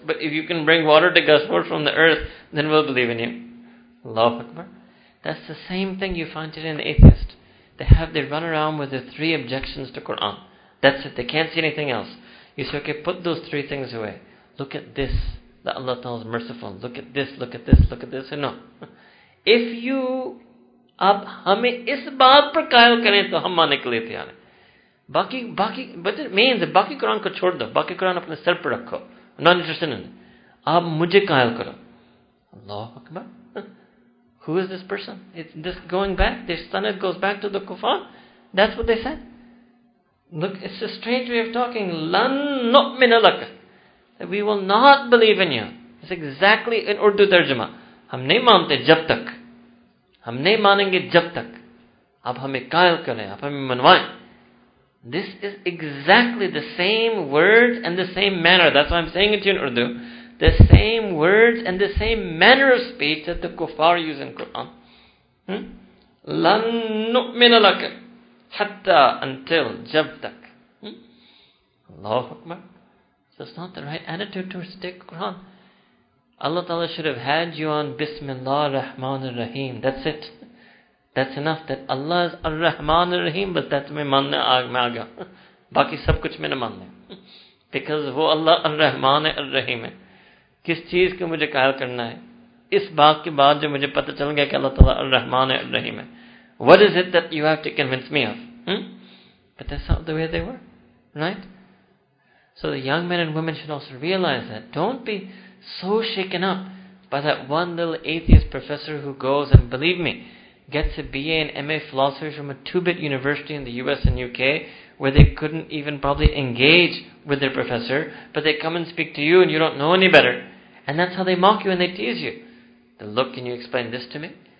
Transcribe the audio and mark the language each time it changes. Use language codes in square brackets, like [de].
[en] But if you can bring water to gush forth from the earth, then we'll believe in you. Allahu Akbar. That's the same thing you find today in the atheist. They run around with the three objections to Quran. That's it. They can't see anything else. You say, okay, put those three things away. Look at this, that Allah Ta'ala is merciful. Look at this, look at this, look at this. And no. If you [ur] اب ہمیں اس بات پر قائل کرے تو ہم مانے کے لیے تیار ہیں۔ Baki, [en] but it means the [ur] baki Quran ko chhod do. باقی قرآن اپنے سر پر رکھو۔ [en] Not interested in it. [ur] اب مجھے قائل کرو۔ [ar] Allahu Akbar. [en] Who is this person? It's this going back. Their sanad goes back to the kufar. That's what they said. Look, it's a strange way of talking. [ar] Lan nu'min lak. [en] We will not believe in you. It's exactly in Urdu tarjuma. [ur] ہم نہیں مانتے جب تک۔ ہم نہیں مانیں گے جب تک۔ اب ہمیں قائل کرے، اب ہمیں منوائے۔ [en] This is exactly the same words and the same manner. That's why I'm saying it to you in Urdu. The same words and the same manner of speech that the kuffar use in Quran. [ar] Lan nu'mina lak hatta, [en] until [ur] jab tak. [en] Allahu Akbar. That's not the right attitude towards the Quran. Allah Ta'ala should have had you on Bismillah Rahman Rahim. That's it. That's enough. That Allah is Ar Rahman Rahim, but that [ur] me manne aag me aaga. باقی سب کچھ میں نہ مانے۔ [en] Because [ur] وہ اللہ ار رحمان رحیم ہے۔ کس چیز کو مجھے قائل کرنا ہے؟ اس بات کے بعد جو مجھے پتا چل گیا کہ اللہ تعالیٰ ار رحمان رحیم ہے۔ [en] What is it that you have to convince me of? But that's not the way they were. Right? So the young men and women should also realize that. Don't be so shaken up by that one little atheist professor who goes and, believe me, gets a BA and MA philosophy from a two-bit university in the US and UK where they couldn't even probably engage with their professor, but they come and speak to you and you don't know any better. And that's how they mock you and they tease you. They look, can you explain this to me?